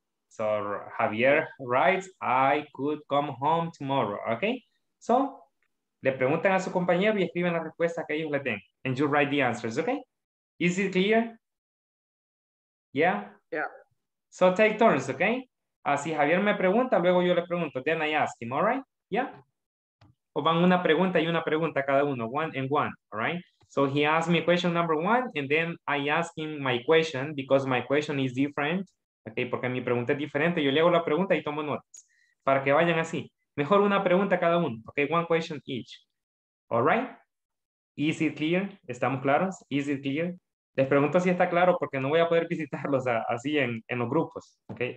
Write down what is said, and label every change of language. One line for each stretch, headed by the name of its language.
English: So Javier writes, I could come home tomorrow, okay?
Spanish: So le preguntan a su compañero y escriben la respuesta que ellos le den.
English: And you write the answers, okay? Is it clear? Yeah? Yeah. So take turns, okay?
Spanish: Si Javier me pregunta, luego yo le pregunto.
English: Then I ask him, all right? Yeah?
Spanish: O van una pregunta y una pregunta cada uno,
English: one and one, all right? So he asked me question number one, and then I ask him my question, because my question is different, okay?
Spanish: Porque mi pregunta es diferente. Yo le hago la pregunta y tomo notas para que vayan así. Mejor una pregunta cada uno,
English: okay? One question each, all right? Is it clear?
Spanish: ¿Estamos claros?
English: Is it clear?
Spanish: Les pregunto si está claro porque no voy a poder visitarlos así en los grupos, okay?